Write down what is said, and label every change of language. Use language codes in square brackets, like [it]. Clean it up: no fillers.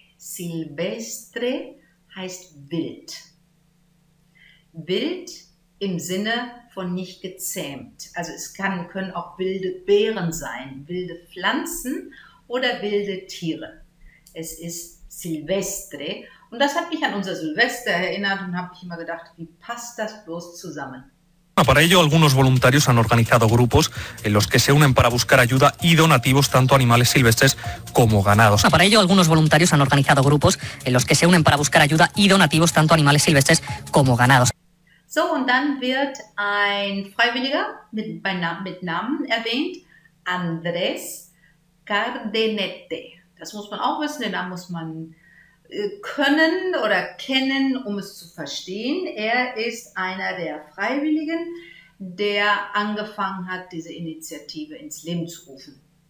[de] Silvestre heißt wild. Wild im Sinne von nicht gezähmt. Also es können auch wilde Beeren sein, wilde Pflanzen oder wilde Tiere. Es ist Silvestre. Und das hat mich an unser Silvester erinnert und habe ich immer gedacht, wie passt das bloß zusammen? [es] Para ello, algunos voluntarios han organizado grupos en los que se unen para buscar ayuda y donativos tanto animales silvestres como ganados. Para ello, algunos voluntarios han organizado grupos en los que se unen para buscar ayuda y donativos tanto animales silvestres como ganados. [de] So, und dann wird ein Freiwilliger mit Namen erwähnt, Andrés Cardenete. Das muss man auch wissen, den Namen muss man können oder kennen, um es zu verstehen. Er ist einer der Freiwilligen, der angefangen hat, diese Initiative ins Leben zu rufen.